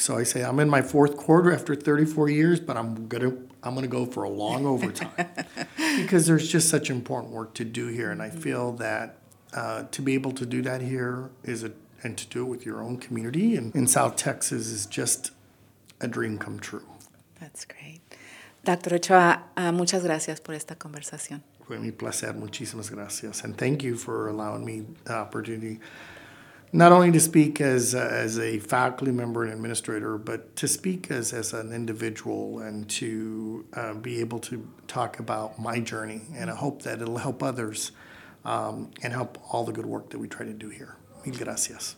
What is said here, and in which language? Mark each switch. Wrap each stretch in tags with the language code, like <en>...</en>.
<en>So I say I'm in my fourth quarter after 34 years, but I'm gonna go for a long overtime, because there's just such important work to do here. And I feel that to be able to do that here and to do it with your own community and in South Texas is just a dream come true. That's great. Dr.</en> <es>Ochoa, muchas gracias por esta conversación. Fue mi placer. Muchísimas gracias.</es> <en>And thank you for allowing me the opportunity not only to speak as a faculty member and administrator, but to speak as an individual and to be able to talk about my journey. And I hope that it'll help others and help all the good work that we try to do here. Mil gracias.</en>